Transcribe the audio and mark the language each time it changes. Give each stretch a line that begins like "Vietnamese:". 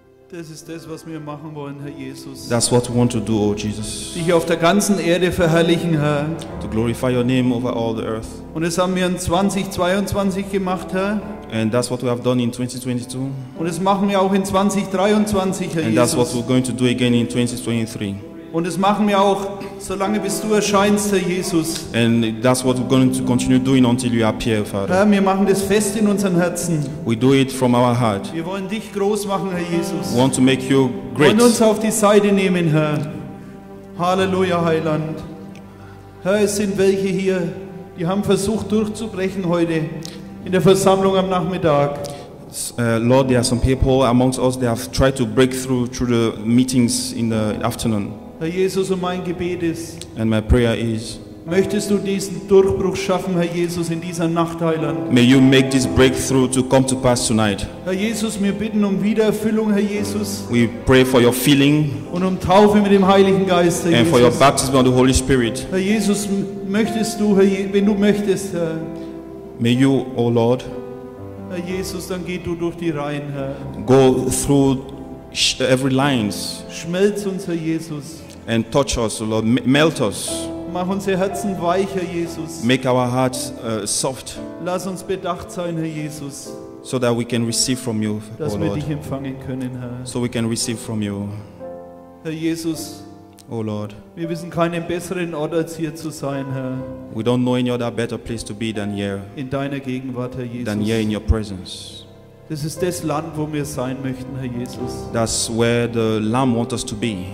German: Das ist das, was wir machen wollen, Herr Jesus.
English: That's what we want to do, oh Jesus.
German: Dich auf der ganzen Erde verherrlichen, Herr.
English: To glorify your name over all the earth.
German: Und das haben wir in 2022 gemacht, Herr.
English: And that's what we have done in 2022.
German: Und das machen wir auch in 2023, Herr Jesus.
English: And that's what we're going to do again in 2023.
German: Und das machen wir auch, solange bis du erscheinst, Herr Jesus.
English: And that's what we're going to continue doing until you appear, Father.
German: Herr, wir machen das fest in unseren Herzen.
English: We do it from our heart.
German: Wir wollen dich groß machen, Herr Jesus.
English: We want to make you great.
German: Und uns auf die Seite nehmen, Herr. Halleluja, Heiland. Herr, es sind welche hier, die haben versucht durchzubrechen heute in der Versammlung am Nachmittag.
English: Lord, there are some people amongst us that have tried to break through the meetings in the afternoon.
German: Herr Jesus, und mein Gebet ist,
English: and my prayer is,
German: möchtest du diesen Durchbruch schaffen, Herr Jesus, in dieser Nacht, Heiland?
English: May you make this breakthrough to come to pass tonight.
German: Herr Jesus, wir bitten um Wiedererfüllung, Herr Jesus.
English: We pray for your filling.
German: Und um Taufe mit dem Heiligen Geist, Herr Jesus.
English: And for your baptism of the Holy Spirit.
German: Herr Jesus, möchtest du, Herr wenn du möchtest, Herr.
English: May you, O Lord.
German: Herr Jesus, dann geh du durch die Reihen, Herr.
English: Go through every lines.
German: Schmelz uns, Herr Jesus.
English: And touch us, Lord. Melt us.
German: Mach unsere Herzen weich, Herr Jesus.
English: Make our hearts soft.
German: Lass uns bedacht sein, Herr Jesus.
English: So that we can receive from you,
German: dass
English: oh
German: wir
English: Lord.
German: Dich empfangen können, Herr.
English: So we can receive from you.
German: Herr Jesus.
English: Oh Lord.
German: Wir wissen keinen besseren Ort als hier zu sein, Herr.
English: We don't know any other better place to be than here.
German: In deiner Gegenwart, Herr Jesus.
English: Than here in your presence.
German: Das ist das Land, wo wir sein möchten, Herr Jesus.
English: That's where the Lamb wants us to be.